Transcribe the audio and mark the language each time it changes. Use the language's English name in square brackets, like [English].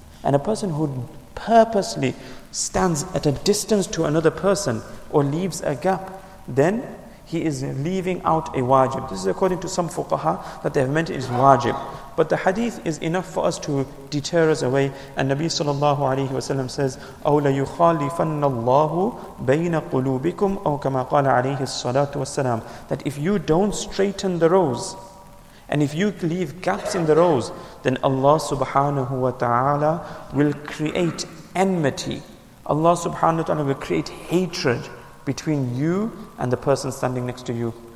[English] And a person who purposely stands at a distance to another person or leaves a gap, then he is leaving out a wajib. This is according to some fuqaha that they have meant is wajib. But the hadith is enough for us to deter us away. And Nabi sallallahu alayhi wa sallam says, [Arabic] أَوْلَ يُخَالِفَنَّ اللَّهُ بَيْنَ قُلُوبِكُمْ أَوْ كَمَا قَالَ عَلَيْهِ الصَّلَاةُ وَالسَّلَامُ. [English] That if you don't straighten the rows, and if you leave gaps in the rows, then Allah subhanahu wa ta'ala will create enmity. Allah subhanahu wa ta'ala will create hatred between you and the person standing next to you.